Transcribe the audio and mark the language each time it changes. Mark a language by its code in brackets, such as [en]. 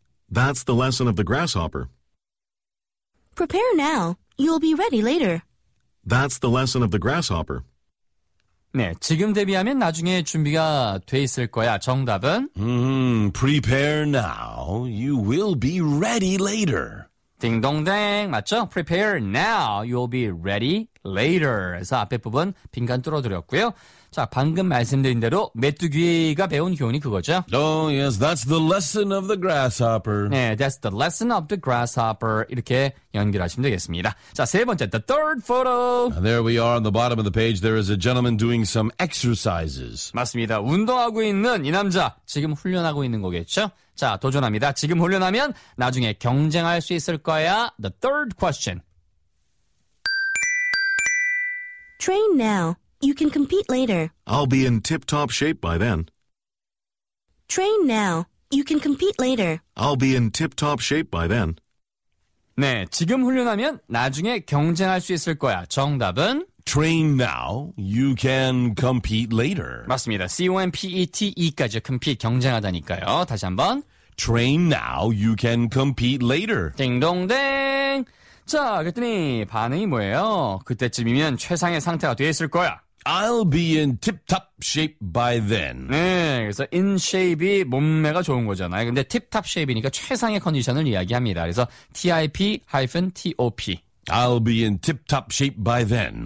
[en] That's the lesson of the grasshopper. Prepare now. You'll be ready later. That's the lesson of the grasshopper. [ko] 네, 지금 대비하면 나중에 준비가 돼 있을 거야. 정답은? [en] Prepare now. You will be ready later. [ko] 딩동댕. 맞죠? [en] Prepare now. You'll be ready later. [ko] 그래서 앞에 부분 빈칸 뚫어드렸고요. 자, 방금 말씀드린 대로 메뚜기가 배운 교훈이 그거죠. [en] Oh, yes. That's the lesson of the grasshopper. [ko] 네, [en] that's the lesson of the grasshopper. [ko] 이렇게 연결하시면 되겠습니다. 자, 세 번째, [en] the third photo. There we are on the bottom of the page. There is a gentleman doing some exercises. [ko] 맞습니다. 운동하고 있는 이 남자, 지금 훈련하고 있는 거겠죠? 자, 도전합니다. 지금 훈련하면 나중에 경쟁할 수 있을 거야. [en] The third question. Train now. You can compete later. I'll be in tip-top shape by then. Train now. You can compete later. I'll be in tip-top shape by then. [ko] 네, 지금 훈련하면 나중에 경쟁할 수 있을 거야. 정답은? [en] Train now. You can compete later. [ko] 맞습니다. C-O-M-P-E-T-E까지 compete, 경쟁하다니까요. 다시 한번. [en] Train now. You can compete later. [ko] 딩동댕. 자, 그랬더니 반응이 뭐예요? 그때쯤이면 최상의 상태가 돼 있을 거야. [en] I'll be in tip-top shape by then. [ko] 네, 그래서 in shape이 몸매가 좋은 거잖아요. 근데 [en] tip-top shape [ko] 이니까 최상의 컨디션을 이야기합니다. 그래서 TIP-TOP. [en] I'll be in tip-top shape by then.